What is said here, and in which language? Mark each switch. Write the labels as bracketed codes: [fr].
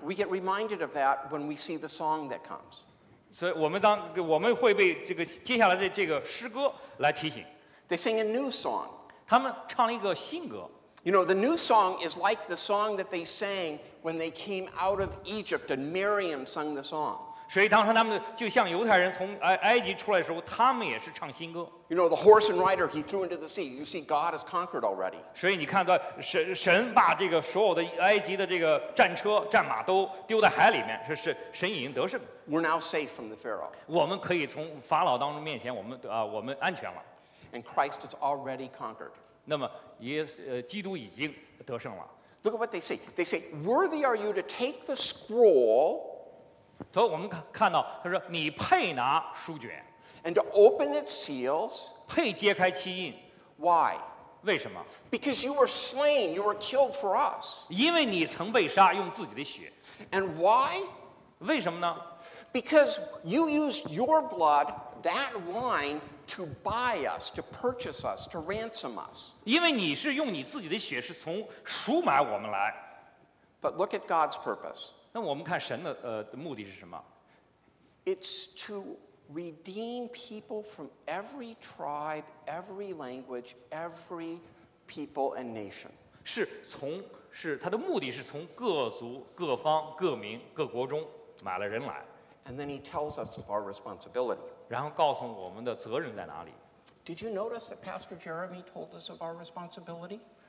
[en] We get reminded of that when we see the song that comes. [zh] 所以我们会被这个接下来的这个诗歌来提醒。 [en] They sing a new song. [zh] 他们唱了一个新歌。 [en] You know, the new song is like the song that they sang when they came out of Egypt and Miriam sung the song. [zh] 所以当时他们就像犹太人从埃及出来的时候，他们也是唱新歌。 [en] You know the horse and rider he threw into the sea. You see, God has conquered already. [zh] 所以你看到神把这个所有的埃及的这个战车、战马都丢在海里面，是神已经得胜。 [en] We're now safe from the Pharaoh. [zh] 我们可以从法老当中面前，我们安全了。 [en] And Christ has already conquered. [zh] 那么基督已经得胜了。 [en] Look at what they say. They say, "Worthy are you to take the scroll." [zh] 所以我们看到他说你配拿书卷 [en] and to open its seals [zh] 配揭开七印 [en] why [zh] 为什么 [en] because you were slain you were killed for us [zh] 因为你曾被杀用自己的血 [en] and why [zh] 为什么呢 [en] because you used your blood that wine to buy us to purchase us to ransom us [zh] 因为你是用你自己的血是从赎买我们来 [en] but look at God's purpose [zh] 那我们看神的目的是什么 [en] ？It's to redeem people from every tribe, every language, every people and nation. [zh] 是他的目的是从各族、各方、各民、各国中买了人来。 [en] And then he tells us of our responsibility. [zh] 然后告诉我们的责任在哪里 [en] ？Did you notice that Pastor Jeremy told us of our responsibility？